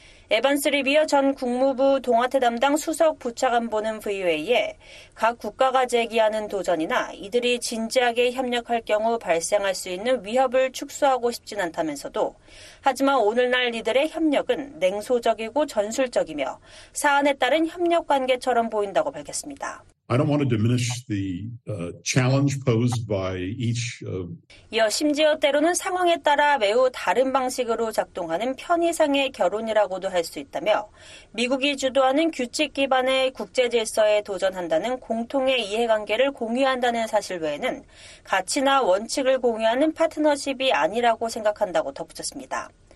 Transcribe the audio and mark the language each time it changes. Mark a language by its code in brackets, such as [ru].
[ko] 에반스 리비어 전 국무부 동아태 담당 수석 부차관보는 VOA에 각 국가가 제기하는 도전이나 이들이 진지하게 협력할 경우 발생할 수 있는 위협을 축소하고 싶진 않다면서도 하지만 오늘날 이들의 협력은 냉소적이고 전술적이며 사안에 따른 협력 관계처럼 보인다고 밝혔습니다. [en] I don't want to diminish the challenge posed by each of [ko] 여 심지어 때로는 상황에 따라 매우 다른 방식으로 작동하는 편의상의 결혼이라고도 할 수 있다며 미국이 주도하는 규칙 기반의 국제 질서에 도전한다는 공통의 이해관계를 공유한다는 사실 외에는 가치나 원칙을 공유하는 파트너십이 아니라고 생각한다고 덧붙였습니다.